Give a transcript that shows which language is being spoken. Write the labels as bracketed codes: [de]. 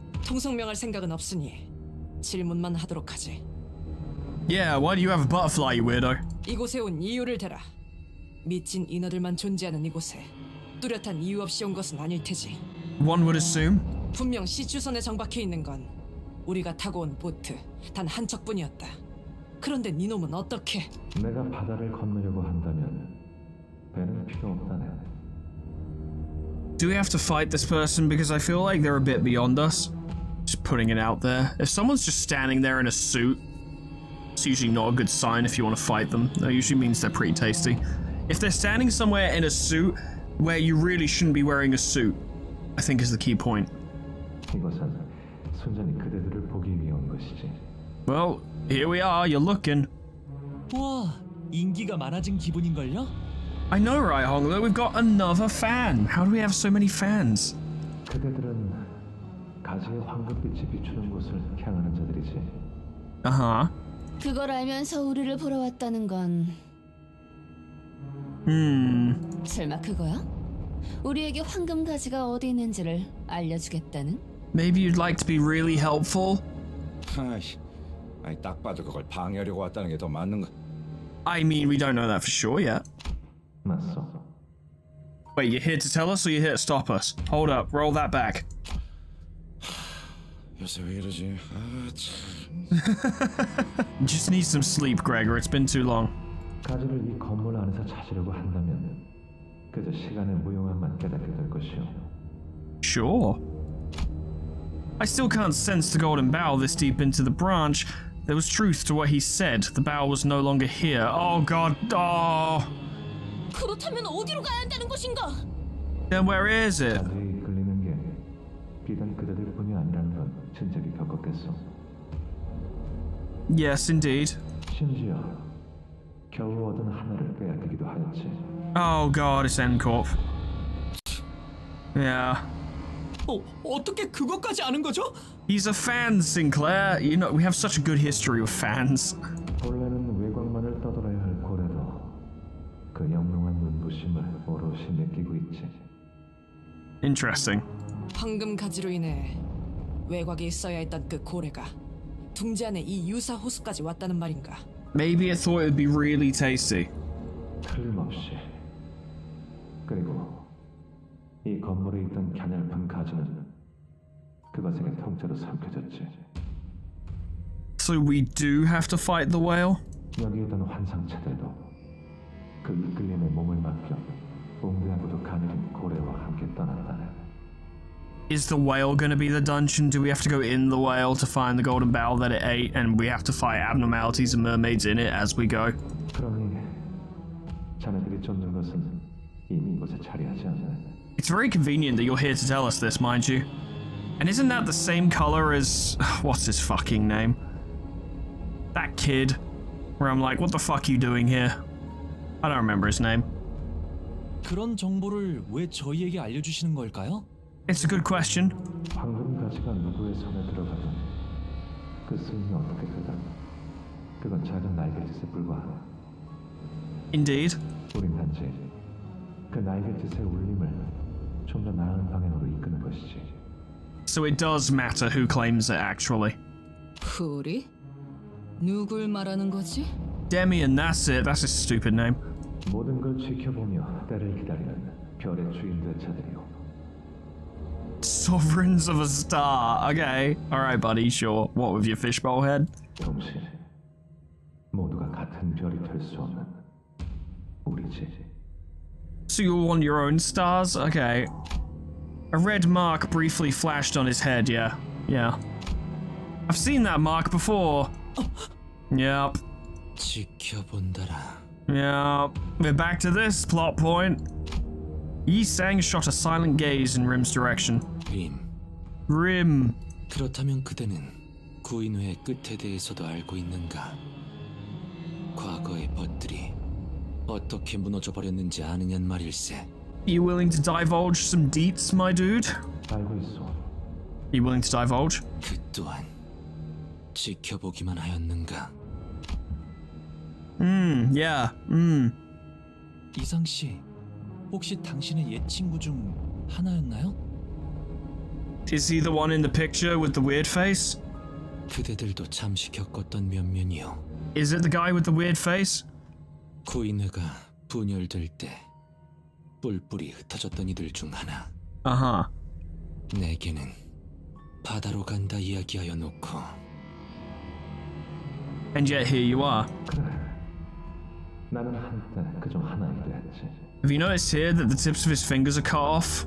[ko] 통성명할 생각은 없으니 질문만 하도록 하지. [en] Yeah, why do you have a butterfly, you weirdo? [ko] 이곳에 온 이유를 대라. 미친 인어들만 존재하는 이곳에 뚜렷한 이유 없이 온 것은 아닐 테지. [en] One would assume. [ko] 분명 시추선에 정박해 있는 건 우리가 타고 온 보트 단 한 척뿐이었다. 그런데 네 놈은 어떻게? 내가 바다를 건너려고 한다면 배는 필요 없다네. [en] Do we have to fight this person? Because I feel like they're a bit beyond us. Just putting it out there. If someone's just standing there in a suit, it's usually not a good sign if you want to fight them. That usually means they're pretty tasty. If they're standing somewhere in a suit where you really shouldn't be wearing a suit, I think is the key point. [ko] 이것은 순전히 그대들을 보기 위해 온 것이지. [en] Well, here we are, you're looking. [ko] 우와, 인기가 많아진 기분인걸요? [en] I know, right, Honglo? We've got another fan. How do we have so many fans? [ko] 그대들은 가지의 황금빛이 비추는 곳을 향하는 자들이지. 아하. 그걸 알면서 우리를 보러 왔다는 건... 설마 그거야? 우리에게 황금 가지가 어디 있는지를 알려주겠다는? [en] Maybe you'd like to be really helpful? [ko] 아이씨, 아니 딱 봐도 그걸 방해하려고 왔다는 게 더 맞는 거... [en] I mean, we don't know that for sure yet. [ko] 맞소. [en] Wait, you're here to tell us or you're here to stop us? Hold up, roll that back. [ko] 요새 왜 이러지? 아, [en] Just need some sleep, Gregor. It's been too long. [ko] 가지를 이 건물 안에서 찾으려고 한다면 그저 시간의 무용함만 깨닫게 될 것이오. [en] Sure. I still can't sense the golden bough this deep into the branch. There was truth to what he said. The bough was no longer here. Oh god, oh. [ko] 그렇다면 어디로 가야 한다는 것인가? [en] Then where is it? [ko] 가지에 이끌리는 게 비단 그대들 뿐이 아니라는 건 진작에 겪었겠소. [en] Yes, indeed. [ko] 심지어 겨우 얻은 하나를 빼앗기기도 하였지. [en] Oh god, it's Encorp. Yeah. [ko] 어떻게 그것까지 아는 거죠? [en] He's a fan, Sinclair. You know, we have such a good history with fans. [ko] 원래는 외곽만을 떠돌아야 할 고래도 그 영롱한 눈부심을 오롯이 느끼고 있지. [en] Interesting. [ko] 방금 가지로 인해 외곽에 있어야 했던 그 고래가 둥지 안에 이 유사 호수까지 왔다는 말인가? [en] Maybe it thought it would be really tasty. [ko] 틀림없이. 그리고 이 건물에 있던 갸냘픈 가지는 그것에게 통째로 삼켜졌지. [en] So we do have to fight the whale? [ko] 여기 있던 환상체들도 그 이끌림에 몸을 맡겨 옹대하고도 가느린 고래와 함께 떠났다네. [en] Is the whale going to be the dungeon? Do we have to go in the whale to find the golden barrel that it ate, and we have to fight abnormalities and mermaids in it as we go? [ko] 그러니 자네들이 쫓는 것은 이미 이곳에 자리하지 않네. [en] It's very convenient that you're here to tell us this, mind you. And isn't that the same color as... what's his fucking name? That kid. Where I'm like, what the fuck are you doing here? I don't remember his name. [ko] 그런 정보를 왜 저희에게 알려주시는 걸까요? [en] It's a good question. [ko] 방금까지가 누구의 손에 들어가던 그 수인이 어떻게 되던 그건 작은 날개짓에 불과하네. [en] Indeed. [ko] 우린 단지 그 날개짓의 울림을 좀 더 나은 방향으로 이끄는 것이지. [en] So it does matter who claims it, actually. [ko] 우리? 누굴 말하는 거지? [en] Demian, that's it. That's a stupid name. [ko] 모든 걸 지켜보며 때를 기다리는 별의 주인 대차들이요. [en] Sovereigns of a star. Okay. All right, buddy. Sure. What with your fishbowl head? [ko] 정신. 모두가 같은 별이 될 수 없는 우리 집이. [en] So you want your own stars? Okay. A red mark briefly flashed on his head. Yeah. Yeah. I've seen that mark before. Yep. [ko] 지켜본다라. [en] Yep. We're back to this plot point. Yi Sang shot a silent gaze in Rim's direction. Rim. Rim. [ko] 그렇다면 그대는 구인회의 끝에 대해서도 알고 있는가? 과거의 벗들이 어떻게 무너져버렸는지 아느냐는 말일세. [en] Are you willing to divulge some deets, my dude? [ko] 알고 있어. [en] Are you willing to divulge? [ko] 그 또한 지켜보기만 하였는가? [en] Yeah. [ko] Isang 씨. 혹시 당신의 옛 친구 중 하나였나요? [en] Is he the one in the picture with the weird face? [ko] 그대들도 잠시 겪었던 면면이요. [en] Is it the guy with the weird face? [ko] 구인회가 분열될 때 뿔뿔이 흩어졌던 이들 중 하나. 아하. 내게는 바다로 간다 이야기하여 놓고. [en] And yet here you are. [ko] 그래. 나는 한때 그 중 하나이기도 했지. [en] Have you noticed here that the tips of his fingers are cut off?